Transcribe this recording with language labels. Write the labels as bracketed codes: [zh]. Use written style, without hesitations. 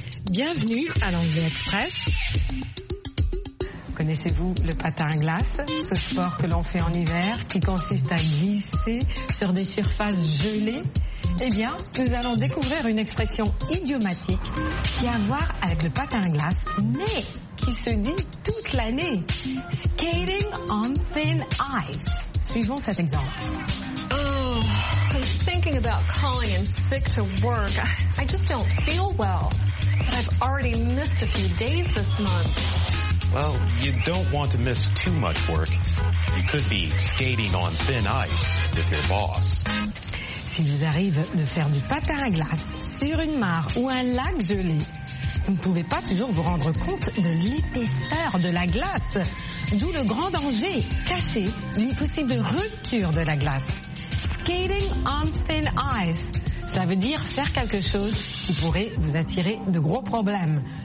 [fr] Bienvenue à l'Anglais Express. Connaissez-vous le patin à glace, ce sport que l'on fait en hiver qui consiste à glisser sur des surfaces gelées? Eh bien, nous allons découvrir une expression idiomatique qui a à voir avec le patin à glace, mais qui se dit toute l'année. [en] Skating on thin ice. [fr] Suivons cet exemple. [en] Oh, I'm thinking about calling in sick to work. I just don't feel well. But I've already missed a few days this month. Well, you don't want to miss too much work. You could be skating on thin ice with your boss. [fr] S'il vous arrive de faire du patin à glace sur une mare ou un lac gelé, vous ne pouvez pas toujours vous rendre compte de l'épaisseur de la glace, d'où le grand danger caché d'une possible rupture de la glace. [en] Skating on thin ice, [fr] ça veut dire faire quelque chose qui pourrait vous attirer de gros problèmes.